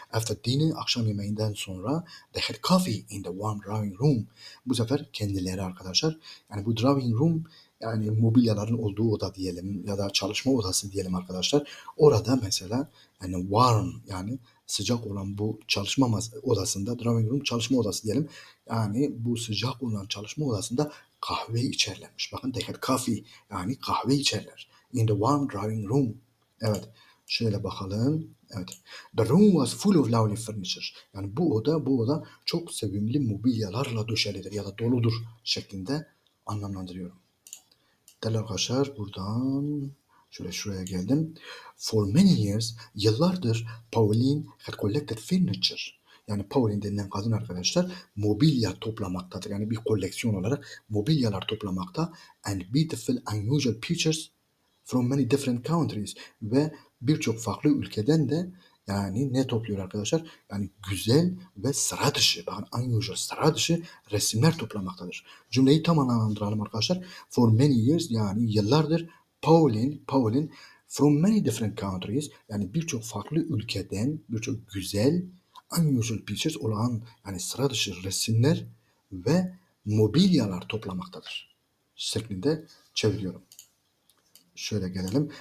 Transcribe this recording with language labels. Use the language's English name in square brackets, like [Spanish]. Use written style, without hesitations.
[English] After dinner, [Turkish] akşam yemeğinden sonra [English] they had coffee in the warm drawing room. [Turkish] Bu sefer kendileri arkadaşlar. Yani bu drawing room yani mobilyaların olduğu oda diyelim ya da çalışma odası diyelim arkadaşlar. Orada mesela yani warm yani sıcak olan bu çalışma odasında, drawing room çalışma odası diyelim. Yani bu sıcak olan çalışma odasında kahve içerlermiş. Bakın [English] they had coffee [Turkish] yani kahve içerler. [English] In the warm drawing room. [Turkish] Evet şöyle bakalım. Evet. [English] The room was full of lovely furniture. [Turkish] Yani bu oda çok sevimli mobilyalarla döşelidir ya da doludur şeklinde anlamlandırıyorum. Değerli arkadaşlar buradan... Şöyle şuraya geldim. [English] For many years, yıllardır Pauline had collected furniture. [Turkish] Yani Pauline denilen kadın arkadaşlar mobilya toplamaktadır. Yani bir koleksiyon olarak mobilyalar toplamakta. [English] And beautiful, unusual pictures from many different countries. [Turkish] Ve birçok farklı ülkeden de yani ne topluyor arkadaşlar? Yani güzel ve sıra dışı, bakın unusual, sıra dışı resimler toplamaktadır. Cümleyi tam anlamlandıralım arkadaşlar. [English] For many years, [Turkish] yani yıllardır Pauline [English] from many different countries [Turkish] yani birçok farklı ülkeden birçok güzel [English] unusual pictures [Turkish] olan yani sıra dışı resimler ve mobilyalar toplamaktadır şeklinde çeviriyorum. Şöyle gelelim.